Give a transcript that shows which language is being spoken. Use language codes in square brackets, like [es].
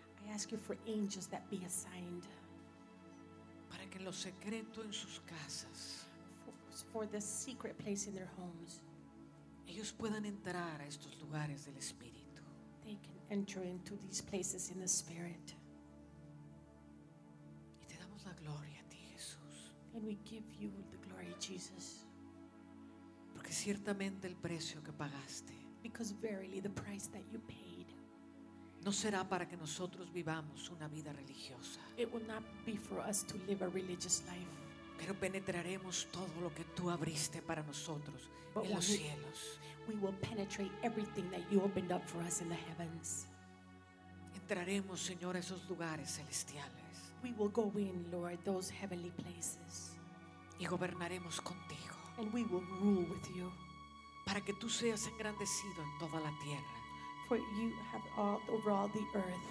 [en] I ask you for angels that be assigned. [es] Para que en lo secreto en sus casas, [en] for the secret place in their homes, [es] ellos puedan entrar a estos lugares del Espíritu. [en] They can enter into these places in the Spirit. [es] Y te damos la gloria. [en] And we give you the glory, Jesus. [es] Porque ciertamente el precio que pagaste, [en] because verily the price that you paid, [es] no será para que nosotros vivamos una vida religiosa. [en] It will not be for us to live a religious life. [es] Pero penetraremos todo lo que tú abriste para nosotros en los cielos. [en] We will penetrate everything that you opened up for us in the heavens. [es] Entraremos, Señor, a esos lugares celestiales. [en] We will go in, Lord, those heavenly places. [es] Y gobernaremos contigo. [en] And we will rule with you. [es] Para que tú seas engrandecido en toda la tierra. [en] For you have all over all the earth.